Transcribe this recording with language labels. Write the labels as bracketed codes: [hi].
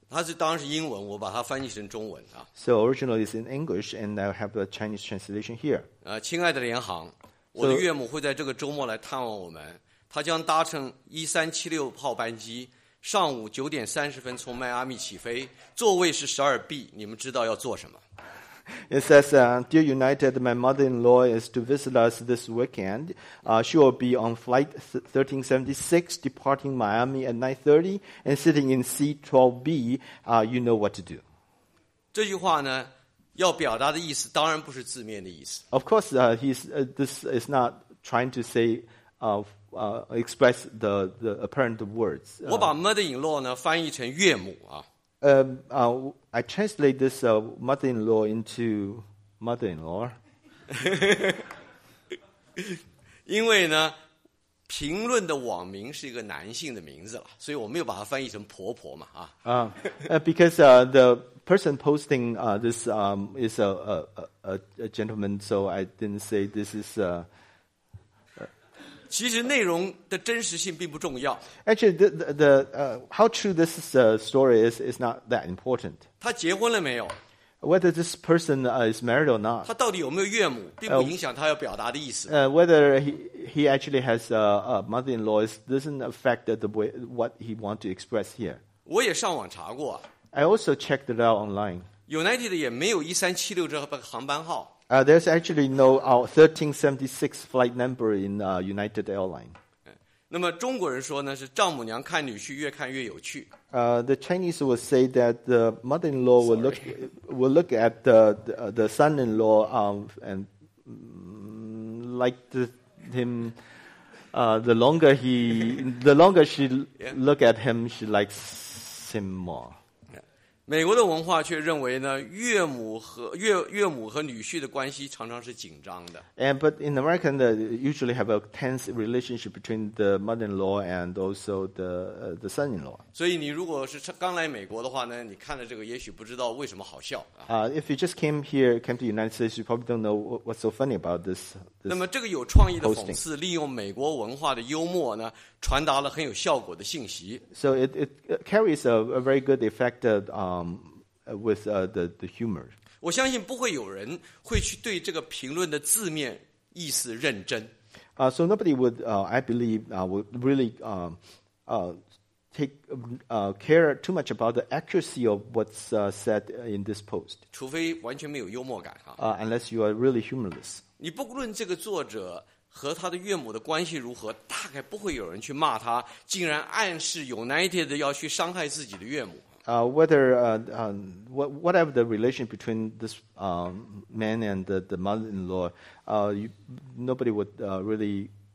[zh] 它是当然是英文，我把它翻译成中文啊。 [en] So originally it's in English, and I have a Chinese translation here. [zh] 亲爱的联航，我的岳母会在这个周末来探望我们，她将搭乘1376号班机。上午9:30从迈阿密起飞，座位是12B, 你们知道要做什么。 [en] It says, Dear United, my mother-in-law is to visit us this weekend. She will be on flight 1376, departing Miami at 9:30, and sitting in seat 12B, you know what to do. [zh] 这句话呢，要表达的意思当然不是字面的意思。 [en] Of course, this is not trying to say, express the apparent words. [zh] 我把 mother-in-law 呢翻译成岳母啊。 [en] I translate this mother-in-law into mother-in-law. [zh] 因为呢，评论的网名是一个男性的名字了，所以我没有把它翻译成婆婆嘛啊。 [en] Because the person posting this is a gentleman, so I didn't say this is a. [zh] 其实内容的真实性并不重要。 [en] Actually, how true this story is not that important. [zh] 他结婚了没有？ [en] Whether this person is married or not. [zh] 他到底有没有岳母，并不影响他要表达的意思。 [en] Whether he actually has a mother-in-law doesn't affect the way what he wants to express here. [zh] 我也上网查过。 [en] I also checked it out online. [zh] United 也没有1376这个航班号。 [en] There's actually no 1376 flight number in United Airlines. [zh] 那么中国人说呢，是丈母娘看女婿越看越有趣。 [en] The Chinese would say that the mother-in-law will look at the son-in-law and liked him. The longer she look at him, she likes him more. [zh] 美国的文化却认为呢，岳母和女婿的关系常常是紧张的。 [en] And but in America, they usually have a tense relationship between the mother-in-law and also the son-in-law. [zh] 所以你如果是刚来美国的话呢，你看了这个也许不知道为什么好笑。 [en] If you just came to the United States, you probably don't know what's so funny about this. [zh] 那么这个有创意的讽刺，利用美国文化的幽默呢，传达了很有效果的信息。 [en] So it carries a very good effect with the humor. [zh] 我相信不会有人会去对这个评论的字面意思认真。 [en] So nobody would, I believe, would really take care too much about the accuracy of what's said in this post. [zh] 除非完全没有幽默感哈。 [en] Unless you are really humorless. [zh] 你不论这个作者和他的岳母的关系如何，大概不会有人去骂他，竟然暗示 United 要去伤害自己的岳母。 [en] Whatever the relation between this man and the mother-in-law, nobody would really.